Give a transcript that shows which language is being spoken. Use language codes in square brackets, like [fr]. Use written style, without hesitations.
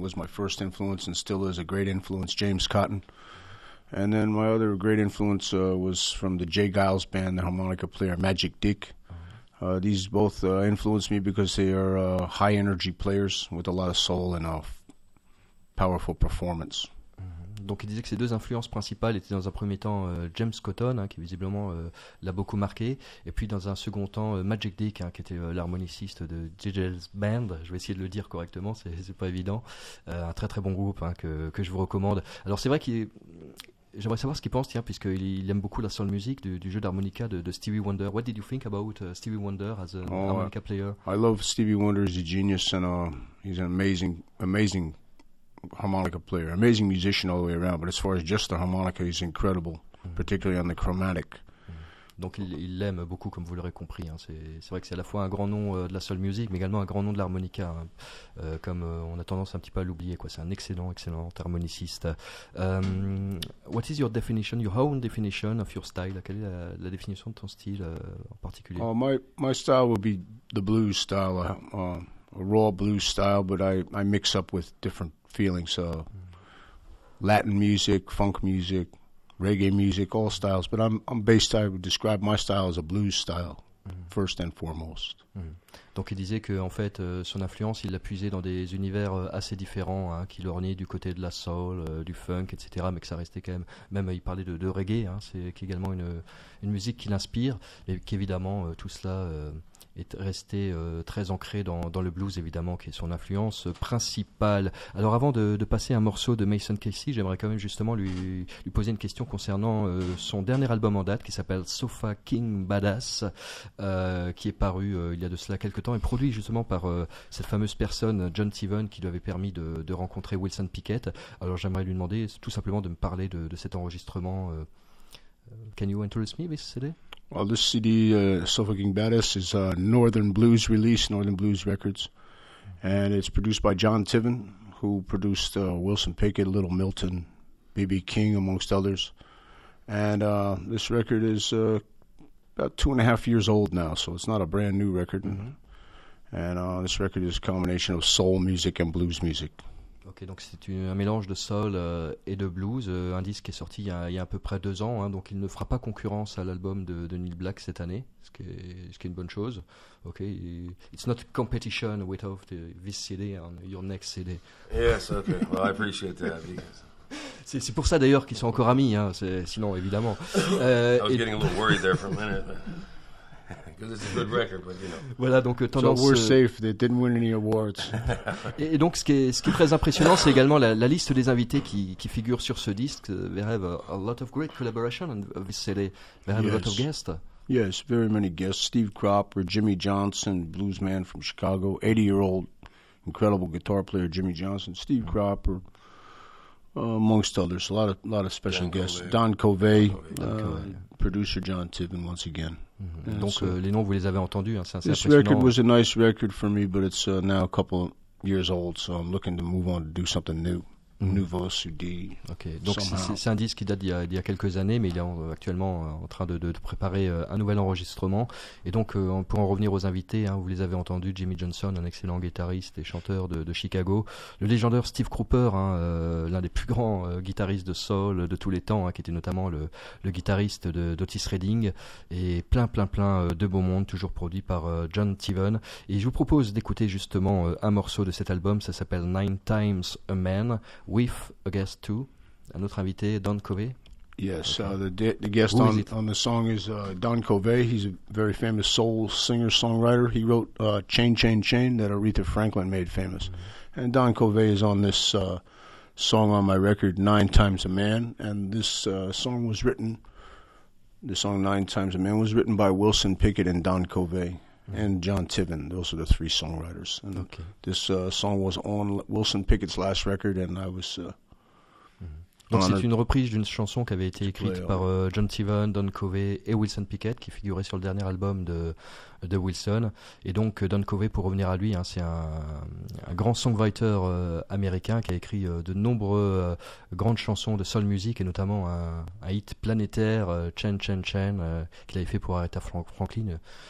[en] Was my first influence and still is a great influence, James Cotton. And then my other great influence was from the Jay Giles Band, the harmonica player Magic Dick. These both influenced me because they are high energy players with a lot of soul and a powerful performance. [fr] Donc il disait que ses deux influences principales étaient dans un premier temps James Cotton, hein, qui visiblement l'a beaucoup marqué, et puis dans un second temps Magic Dick, hein, qui était l'harmoniciste de JJ's Band. Je vais essayer de le dire correctement, c'est pas évident. Un très très bon groupe, hein, que je vous recommande. Alors c'est vrai qu'il... J'aimerais savoir ce qu'il pense, tiens, puisqu'il aime beaucoup la soul music du jeu d'harmonica de Stevie Wonder. [en] What did you think about Stevie Wonder as an harmonica player? I love Stevie Wonder, he's a genius, and he's an amazing harmonica player, amazing musician all the way around, but as far as just the harmonica, he's incredible, particularly on the chromatic. [fr] Donc il l'aime beaucoup, comme vous l'aurez compris, hein. C'est vrai que c'est à la fois un grand nom de la soul music, mais également un grand nom de l'harmonica, hein. comme on a tendance un petit peu à l'oublier, quoi. C'est un excellent harmoniciste. [en] What is your definition, your own definition of your style? [fr] Quelle est la définition de ton style en particulier? [en] My style would be the blues style, a raw blues style, but I mix up with different feelings, so Latin music, funk music, reggae music, all styles, but I'm based, I would describe my style as a blues style, first and foremost. [fr] Donc il disait que en fait son influence il l'a puisé dans des univers assez différents, hein, qui l'ornaient du côté de la soul, du funk, etc., mais que ça restait quand même il parlait de reggae, hein, c'est également une musique qui l'inspire, mais qu'évidemment tout cela est resté très ancré dans le blues, évidemment, qui est son influence principale. Alors avant de passer un morceau de Mason Casey, j'aimerais quand même justement lui poser une question concernant son dernier album en date, qui s'appelle Sofa King Badass, qui est paru il y a de cela quelques temps, et produit justement par cette fameuse personne, John Tiven, qui lui avait permis de rencontrer Wilson Pickett. Alors j'aimerais lui demander tout simplement de me parler de cet enregistrement. [en] Can you introduce me this CD? Well, this CD, Sofa King Badass, is a Northern Blues release, Northern Blues Records, and it's produced by John Tiven, who produced Wilson Pickett, Little Milton, B.B. King, amongst others. And this record is about 2.5 years old now, so it's not a brand new record. And this record is a combination of soul music and blues music. [fr] Ok, donc c'est un mélange de soul et de blues, un disque qui est sorti il y a à peu près 2 ans, hein, donc il ne fera pas concurrence à l'album de Neil Black cette année, ce qui est une bonne chose. [en] Ok, it's not a competition without this CD on your next CD. Yes, ok, well, I appreciate that. [fr] C'est pour ça d'ailleurs qu'ils sont encore amis, hein, sinon évidemment. [en] I was getting a little worried there for a minute. Because it's a good record, but you know. [fr] Voilà, donc tendance. [en] So we're safe. They didn't win any awards. [fr] Et donc, ce qui est très impressionnant, c'est également la liste des invités qui figurent sur ce disque. [en] We have a lot of great collaboration on this CD. We have a lot of guests. Yes, very many guests. Steve Cropper, Jimmy Johnson, blues man from Chicago, 80-year-old incredible guitar player Jimmy Johnson, Steve Cropper, amongst others. A lot of special guests. Don Covey. Producer John Tiven once again. Mm-hmm. [fr] Donc so, les noms, vous les avez entendus. Hein, [en] this record was a nice record for me, but it's now a couple years old, so I'm looking to move on to do something new. [fr] Mm-hmm. Nouveau CD. Ok, donc c'est un disque qui date d'il y a quelques années, mais il est actuellement en train de préparer un nouvel enregistrement. Et donc, pour en revenir aux invités, hein, vous les avez entendus, Jimmy Johnson, un excellent guitariste et chanteur de Chicago. Le légendaire Steve Cropper, hein, l'un des plus grands guitaristes de soul de tous les temps, hein, qui était notamment le guitariste d'Otis Redding. Et plein de beaux mondes, toujours produit par John Tiven. Et je vous propose d'écouter justement un morceau de cet album, ça s'appelle Nine Times a Man. [en] With a guest too, [fr] un autre invité, Don Covey. [en] Yes, okay. the guest on the song is Don Covey. He's a very famous soul singer songwriter. He wrote "Chain Chain Chain" that Aretha Franklin made famous, mm-hmm. and Don Covey is on this song on my record, Nine Times a Man. And this song was written, the song Nine Times a Man was written by Wilson Pickett and Don Covey. And John Tiven, those are the three songwriters. And okay. This song was on Wilson Pickett's last record, and I was... [fr] Donc c'est une reprise d'une chanson qui avait été écrite par John Tiven, Don Covey et Wilson Pickett, qui figurait sur le dernier album de Wilson. Et donc Don Covey, pour revenir à lui, hein, c'est un grand songwriter américain qui a écrit de nombreuses grandes chansons de soul music, et notamment un hit planétaire, Chain Chain Chain, qu'il avait fait pour Aretha Franklin.